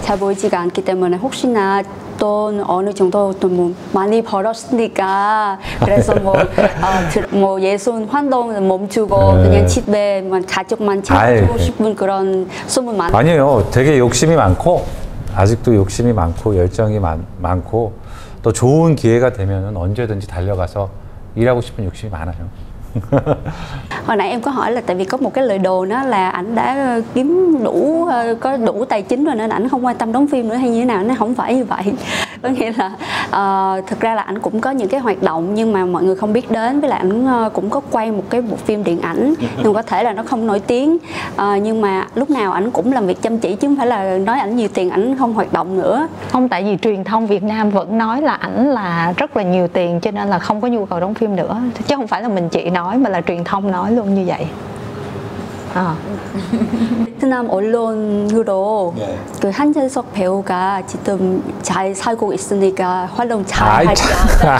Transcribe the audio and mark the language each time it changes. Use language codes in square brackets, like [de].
[ko] 잘 보이지가 않기 때문에 혹시나 돈 어느 정도 돈 뭐 많이 벌었으니까 그래서 뭐 뭐 예술 활동 멈추고 그냥 집에만 가족만 챙기고 싶은 그런 소문 많아요. 아니에요. 되게 욕심이 많고 아직도 욕심이 많고 열정이 많고 또 좋은 기회가 되면은 언제든지 달려가서 일하고 싶은 욕심이 많아요. [vi] Hồi nãy em có hỏi là tại vì có một cái lời đồn đó là ảnh đã kiếm đủ, có đủ tài chính rồi nên ảnh không quan tâm đóng phim nữa hay như thế nào. Nó không phải như vậy. Có nghĩa là thực ra là ảnh cũng có những cái hoạt động nhưng mà mọi người không biết đến. Với lại ảnh cũng có quay một cái bộ phim điện ảnh nhưng có thể là nó không nổi tiếng. Nhưng mà lúc nào ảnh cũng làm việc chăm chỉ chứ không phải là nói ảnh nhiều tiền ảnh không hoạt động nữa. Không, tại vì truyền thông Việt Nam vẫn nói là ảnh là rất là nhiều tiền cho nên là không có nhu cầu đóng phim nữa. Chứ không phải là mình chị nói mà là truyền thông nói luôn như vậy. [ko] 베트남 언론으로 그 한재석 배우가 지금 잘 살고 있으니까 활동 잘 할까?